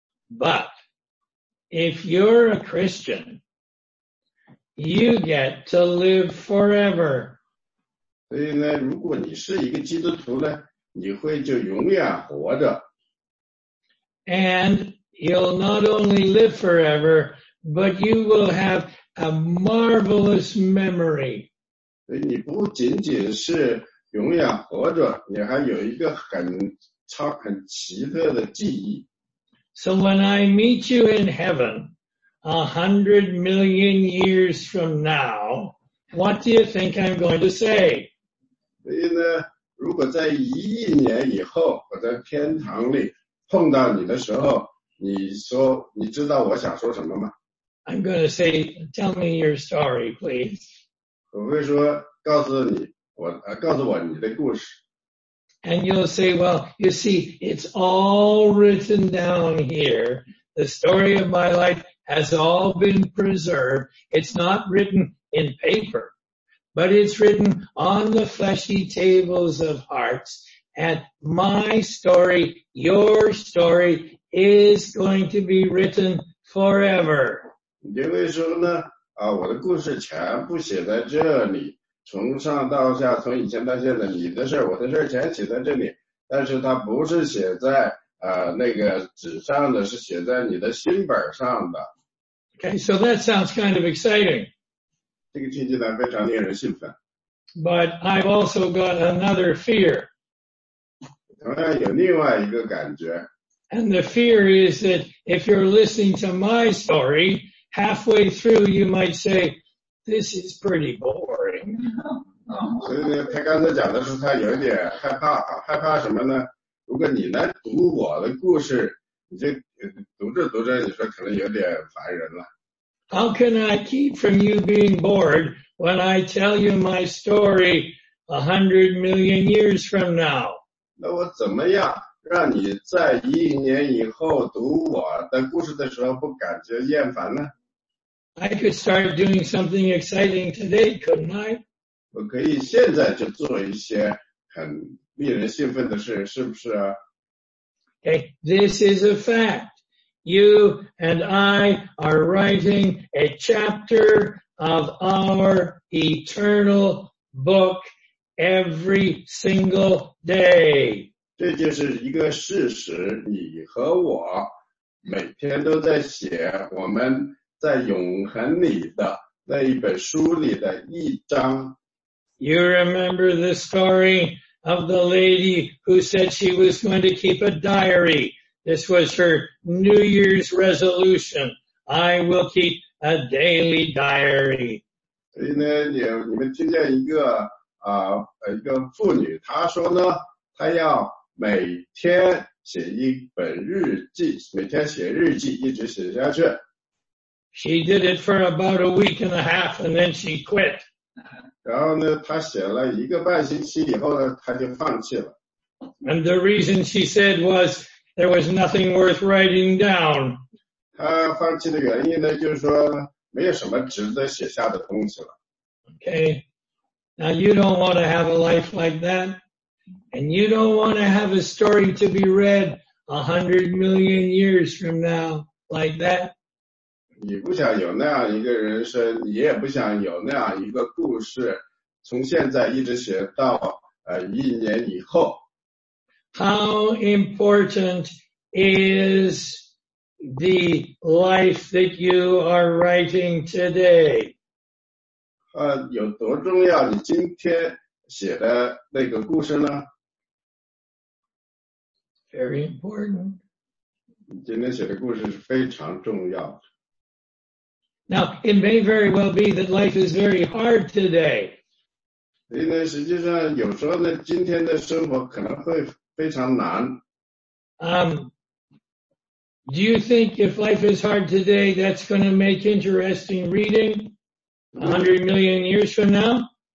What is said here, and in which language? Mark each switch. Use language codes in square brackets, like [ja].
[en] But,If you're a Christian, you get to live forever. [zh] 所以呢，如果你是一个基督徒呢，你会就永远活着。 [en] And you'll not only live forever, but you will have a marvelous memory. [zh] 所以你不仅仅是永远活着，你还有一个很奇特的记忆。 [en] So when I meet you in heaven, 100 million years from now, what do you think I'm going to say? [zh] 所以呢，如果在1亿年以后，我在天堂里碰到你的时候，你说，你知道我想说什么吗？ [en] I'm going to say, tell me your story, please. [zh] 我会说，告诉我你的故事。 [en] And you'll say, well, you see, it's all written down here. The story of my life has all been preserved. It's not written in paper, but it's written on the fleshy tables of hearts. And my story, your story, is going to be written forever. [zh] 因为说呢，我的故事全部写在这里。从上到下，从以前到现在，你的事儿、我的事儿全写在这里，但是它不是写在那个纸上的，是写在你的心本上的。 [en] Okay, so that sounds kind of exciting. [zh] 这个听起来非常令人兴奋。 [en] But I've also got another fear. [zh] 同样有另外一个感觉。 [en] And the fear is that if you're listening to my story, halfway through you might say, this is pretty boring. [zh] 所以呢，他刚才讲的是他有点害怕，害怕什么呢？如果你来读我的故事，你就读着读着，你说可能有点烦人了。 [en] How can I keep from you being bored when I tell you my story 100 million years from now? [zh] 那我怎么样让你在1亿年以后读我的故事的时候不感觉厌烦呢？ [en] I could start doing something exciting today, couldn't I? [zh] 我可以现在就做一些很令人兴奋的事，是不是啊？ [en] Okay, this is a fact. You and I are writing a chapter of our eternal book every single day. [zh] 这就是一个事实，你和我每天都在写我们在永恒里的那一本书里的一章。 [en] You remember the story of the lady who said she was going to keep a diary. This was her New Year's resolution. I will keep a daily diary. [zh] 所以呢，你们听见一个妇女，她说呢，她要每天写一本日记，每天写日记，一直写下去。 [en] She did it for about a week and a half and then she quit. [zh] 然后呢，她写了一个半星期以后呢，她就放弃了。 [en] And the reason she said was there was nothing worth writing down. [zh] 她放弃的原因呢，就是说没有什么值得写下的东西了。 [en] Okay. Now you don't want to have a life like that. And you don't want to have a story to be read 100 million years from now, like that. [zh] 你不想有那样一个人生，你也不想有那样一个故事，从现在一直写到一年以后。 [en] How important is the life that you are writing today? [zh] 有多重要你今天写的那个故事呢？ [en] Very important. [zh] 今天写的故事是非常重要的。 [en] Now, it may very well be that life is very hard today. [zh] 因为实际上有时候呢，今天的生活可能会非常难。 [en] Do you think if life is hard today, that's going to make interesting reading 100 million years from now?